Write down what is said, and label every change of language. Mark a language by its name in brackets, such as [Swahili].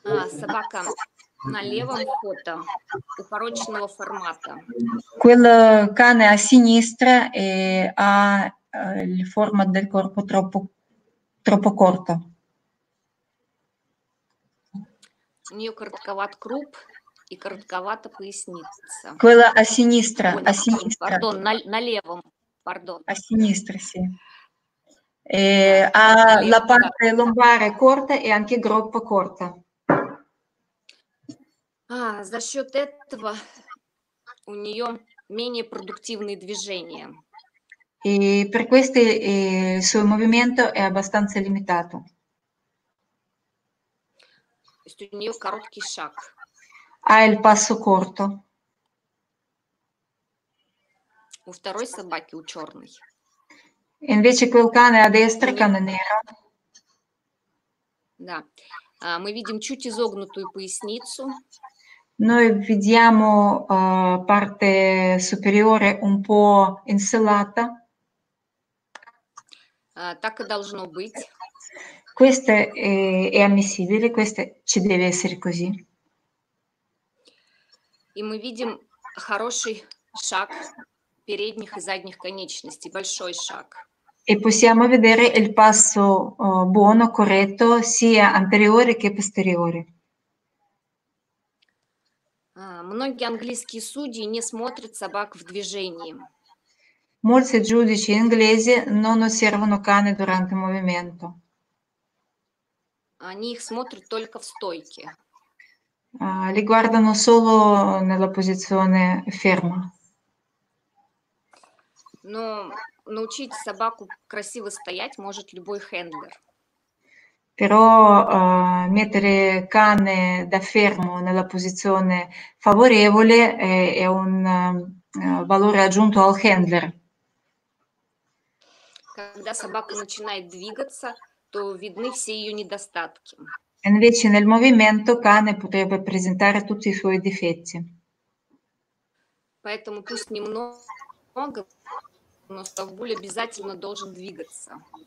[Russian] Собака на левом фото упороченного формата. [Italian] Quel cane a sinistra e ha la forma del corpo troppo corta. [Russian] У нее коротковат круп и коротковата поясница. [Italian] Quella a sinistra, a sinistra. [Russian] Пардон, на левом, пардон. [Italian] A sinistra, sì. Ha la parte lombare corta e anche groppo corta. [Russian] За счет этого у нее менее продуктивные движения. [Italian] E per questo il suo movimento è abbastanza limitato. [Russian] То есть у нее короткий шаг. [Italian] А il passo corto. [Russian] У второй собаки, у черной. [Italian] Invece quel cane a destra, cane nero. [Russian] Да. Мы видим чуть изогнутую поясницу. [Italian] Noi vediamo parte superiore un po' insellata. [Russian] Так и должно быть. [Italian] Questo è ammissibile, questo ci deve essere così. [Russian] И мы видим хороший шаг передних и задних конечностей, большой шаг. [Italian] E possiamo vedere il passo buono, corretto, sia anteriore che posteriore. [Russian] Многие английские судьи не смотрят собак в движении. [Italian] Molti giudici inglesi non osservano cani durante il movimento. [Russian] Они их смотрят только в стойке. [Italian] Li guardano solo nella posizione ferma. [Russian] Но научить собаку красиво стоять может любой хендлер. [Italian] Però mettere cane da fermo nella posizione favorevole è un valore aggiunto al handler. [Russian] Когда собака начинает двигаться, то видны все ее недостатки. [Italian] Invece nel movimento cane potrebbe presentare tutti i suoi difetti. [Russian] Поэтому пусть немного, но ставбуль обязательно должен двигаться.